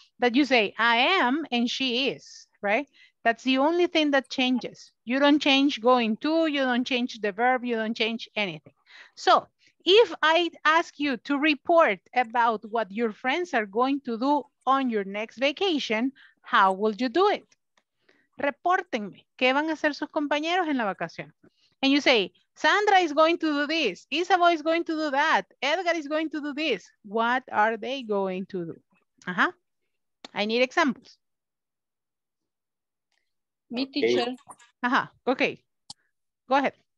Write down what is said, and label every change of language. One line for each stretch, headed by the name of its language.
English: That you say, I am and she is, right? That's the only thing that changes. You don't change going to, you don't change the verb, you don't change anything. So if I ask you to report about what your friends are going to do on your next vacation, how will you do it?
Spanish: Reportenme, ¿qué van a hacer sus compañeros en la vacación?
English: And you say, Sandra is going to do this, Isabel is going to do that, Edgar is going to do this. What are they going to do? Uh-huh. I need examples. Me, teacher. Aha, okay. Go ahead.